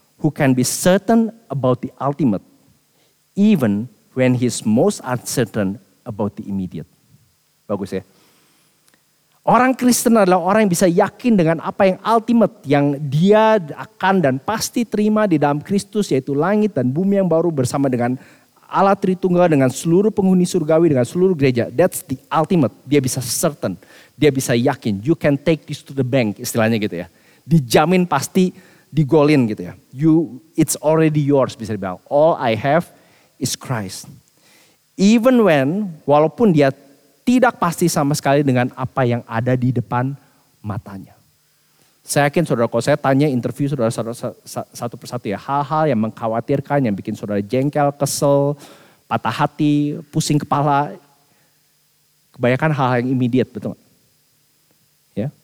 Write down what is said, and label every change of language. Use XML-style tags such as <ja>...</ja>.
<en>who can be certain about the ultimate, even when he's most uncertain about the immediate.</en> <id>Bagus ya. Orang Kristen adalah orang yang bisa yakin dengan apa yang ultimate, yang dia akan dan pasti terima di dalam Kristus, yaitu langit dan bumi yang baru bersama dengan Allah Tritunggal, dengan seluruh penghuni surgawi, dengan seluruh gereja.</id> <en>That's the ultimate.</en> <id>Dia bisa certain. Dia bisa yakin.</id> <en>You can take this to the bank,</en> <id>istilahnya gitu ya. Dijamin pasti digolin gitu ya.</id> <en>You, it's already yours,</en> <id>bisa dibilang.</id> <en>All I have is Christ. Even when,</en> <id>walaupun dia tidak pasti sama sekali dengan apa yang ada di depan matanya. Saya yakin saudara, kalau saya tanya interview saudara satu persatu ya, hal-hal yang mengkhawatirkan, yang bikin saudara jengkel, kesel, patah hati, pusing kepala, kebanyakan hal-hal yang immediate, betul gak? Ya.</id>